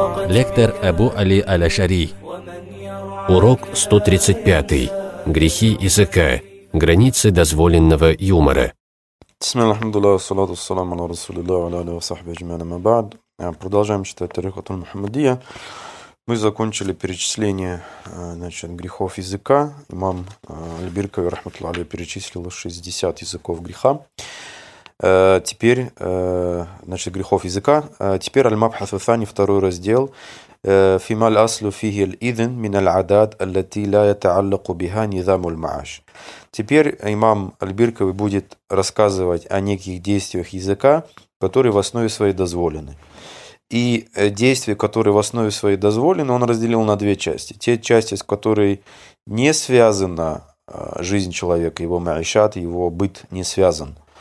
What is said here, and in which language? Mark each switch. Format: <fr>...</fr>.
<ru>Лектор Абу Али аль-Ашари. Урок 135. Грехи языка. Границы дозволенного юмора.</ru> <ar>بسم الله الحمد لله والصلاة والسلام على رسول الله وعلى آله وصحبه أجمعين أما بعد</ar> <ru>продолжаем читать тарикат аль-Мухаммадия. Мы закончили перечисление, значит, грехов языка. Имам аль-Биркави рахматуллах алейхи перечислил 60 языков греха. Теперь, значит, грехов языка. Теперь аль-Мабхас ас-сани, второй раздел.</ru> <ar>فيما الأصل فيه الإذن من العادات التي لا يتعلق بها نظام المعاش.</ar> <ru>Теперь имам аль-Биркави будет рассказывать о неких действиях языка, которые в основе своей дозволены. И действия, которые в основе своей дозволены, он разделил на две части. Те части, с которыми не связана жизнь человека, его маишат, его быт не связан.</ru>